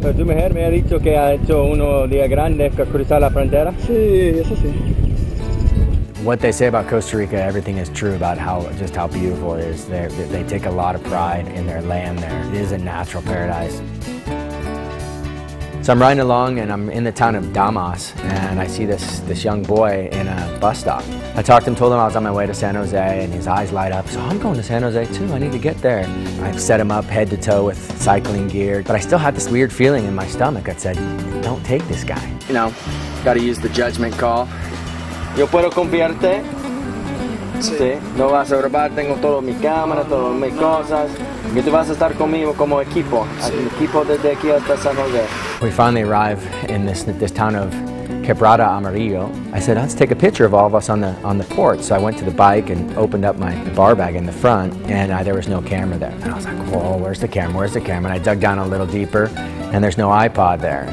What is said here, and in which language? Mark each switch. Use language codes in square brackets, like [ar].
[es] Pero tu mujer me ha dicho que ha hecho uno día grande para cruzar la frontera. Sí, eso sí. [en] What they say about Costa Rica, everything is true about how beautiful it is. They take a lot of pride in their land there. It is a natural paradise. So I'm riding along and I'm in the town of Damas, and I see this young boy in a bus stop. I talked to him, told him I was on my way to San Jose, and his eyes light up. So I'm going to San Jose too, I need to get there. I set him up head to toe with cycling gear, but I still had this weird feeling in my stomach that said, don't take this guy. You know, gotta use the judgment call. [es] Yo puedo confiarte. Sí. No vas a robar, tengo todo mi cámara, todas mis cosas. Y tú vas a estar conmigo como equipo. Sí. Equipo desde aquí hasta San Jose. [en] We finally arrive in this town of Quebrada Amarillo. I said, let's take a picture of all of us on the porch. So I went to the bike and opened up my bar bag in the front, and there was no camera there. And I was like, whoa, where's the camera? Where's the camera? And I dug down a little deeper, and there's no iPod there.